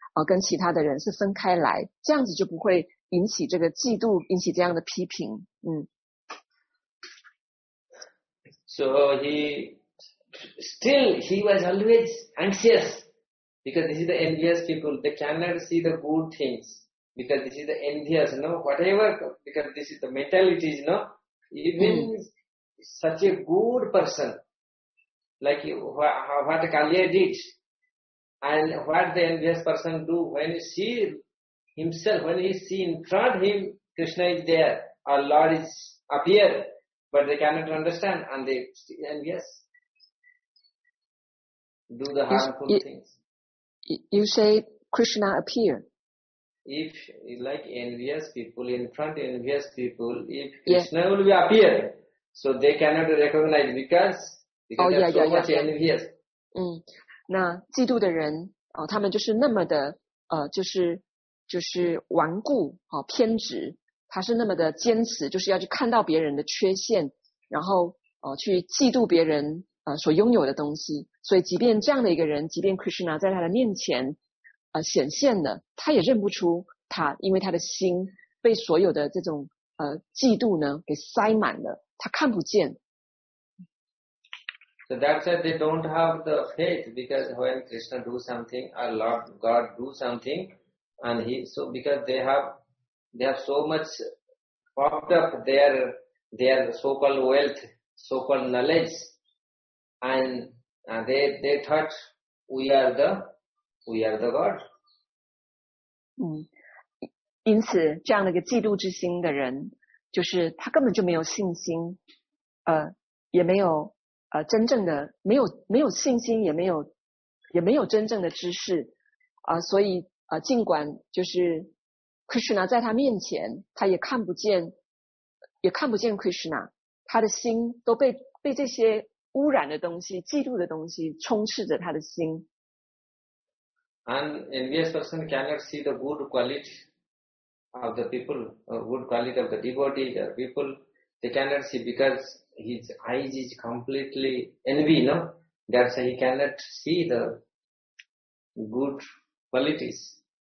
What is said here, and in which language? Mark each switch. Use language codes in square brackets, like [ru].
[zh] 跟其他的人是分开来这样子就不会引起这个嫉妒引起这样的批评 [en] So he was always anxious because this is the envious people they cannot see the good things because this is the envious no whatever because this is the mentality you know even such a good person like what Kaliya didAnd what the envious person do when he see himself, when he see in front of him, Krishna is there, our Lord is appear, but they cannot understand and they still envious. Do the harmful things. You say Krishna appear. If like envious people, in front of envious people, if Krishna will be appear, so they cannot recognize because they are so much envious. Mm. [zh] 那嫉妒的人、他们就是那么的就是顽固、偏执他是那么的坚持就是要去看到别人的缺陷然后、去嫉妒别人、所拥有的东西所以即便这样的一个人即便 Krishna 在他的面前、显现了他也认不出他因为他的心被所有的这种、嫉妒呢给塞满了他看不见 [en] So that's why they don't have the faith because when Krishna do something, our Lord God do something, And he, so because they have so much propped up their so-called wealth, so-called knowledge, and they thought we are the God. [zh] 因此这样的一个嫉妒之心的人，就是他根本就没有信心，也没有真正的没有信心，也没有真正的知识，所以尽管就是 Krishna 在他面前，他也看不见 Krishna， 他的心都被这些污染的东西、嫉妒的东西充斥着他的心。 [en] An envious person cannot see the good quality of the people, good quality of the devotee, the people, they cannot see because his eyes is completely envy, no? That's why he cannot see the good qualities.